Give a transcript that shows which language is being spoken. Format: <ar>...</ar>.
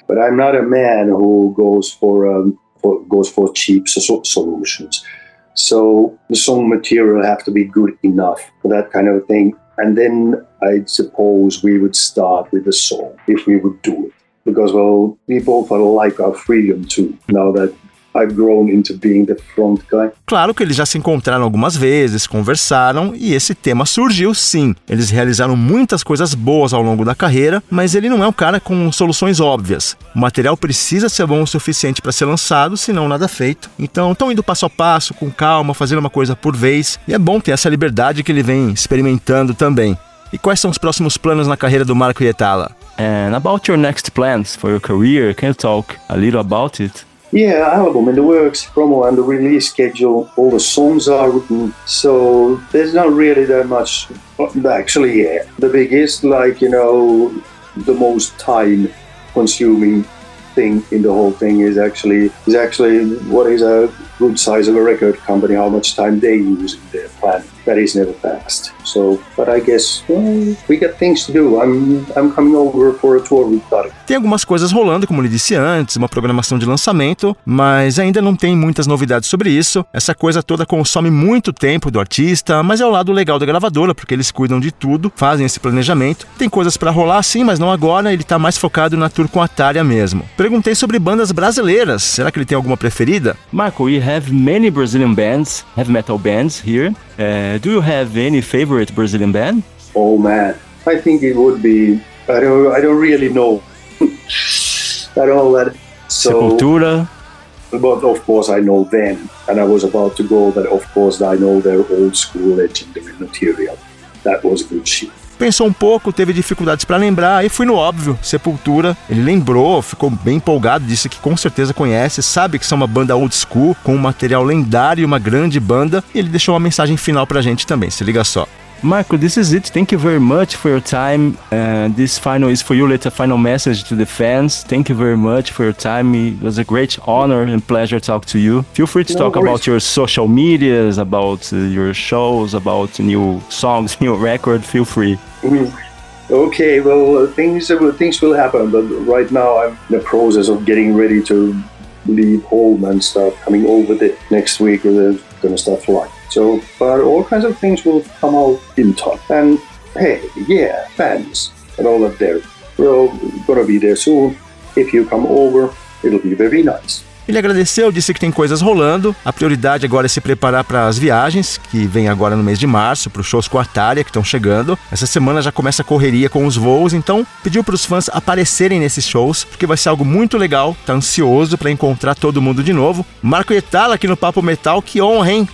<en>But I'm not a man who goes for cheap solutions. So the song material have to be good enough for that kind of thing. And then I suppose we would start with the song, if we would do it. Because, well, we both like our freedom too, now that I've grown into being the front guy.</en> <pt>Claro que eles já se encontraram algumas vezes, conversaram, e esse tema surgiu sim. Eles realizaram muitas coisas boas ao longo da carreira, mas ele não é um cara com soluções óbvias. O material precisa ser bom o suficiente para ser lançado, senão nada feito. Então estão indo passo a passo, com calma, fazendo uma coisa por vez. E é bom ter essa liberdade que ele vem experimentando também. E quais são os próximos planos na carreira do Marco Hietala?</pt> <en>And about your next plans for your career, can you talk a little about it? Yeah, album in the works, promo and the release schedule, all the songs are written, so there's not really that much, actually, yeah. The biggest, like, you know, the most time-consuming thing in the whole thing is actually what is a good size of a record company, how much time they use in their plan. That is never fast. So, but I guess, we got things to do. I'm coming over for a tour with Tarek.</en> <pt>Tem algumas coisas rolando, como lhe disse antes, uma programação de lançamento, mas ainda não tem muitas novidades sobre isso. Essa coisa toda consome muito tempo do artista, mas é o lado legal da gravadora, porque eles cuidam de tudo, fazem esse planejamento. Tem coisas pra rolar, sim, mas não agora. Ele tá mais focado na tour com a Tália mesmo. Perguntei sobre bandas brasileiras. Será que ele tem alguma preferida?</pt> <en>Marco, we have many Brazilian bands, heavy metal bands here. Do you have any favorite Brazilian band? Oh, man. I think it would be... I don't really know. At all that. So, Sepultura. But of course I know them. And I was about to go, but of course I know their old school legendary material. That was good shit.</en> <pt>Pensou um pouco, teve dificuldades para lembrar, aí fui no óbvio, Sepultura. Ele lembrou, ficou bem empolgado, disse que com certeza conhece, sabe que são uma banda old school, com um material lendário e uma grande banda. E ele deixou uma mensagem final pra gente também, se liga só.</pt> <en>Marco, this is it. Thank you very much for your time. This final is for you. Let a final message to the fans. Thank you very much for your time. It was a great honor and pleasure to talk to you. Feel free to talk about your social medias, about your shows, about new songs, new record. Feel free. Okay, well, things will happen. But right now I'm in the process of getting ready to leave home and start coming over the next week. I'm going to start flying. So, but all kinds of things will come out in time. And hey, yeah, fans and all of there. We're all gonna be there soon. If you come over, it'll be very nice.</en> <pt>Ele agradeceu, disse que tem coisas rolando. A prioridade agora é se preparar para as viagens, que vem agora no mês de março, para os shows com a Tália, que estão chegando. Essa semana já começa a correria com os voos, então pediu para os fãs aparecerem nesses shows, porque vai ser algo muito legal. Tá ansioso para encontrar todo mundo de novo. Marco Hietala aqui no Papo Metal, que honra, hein?</pt>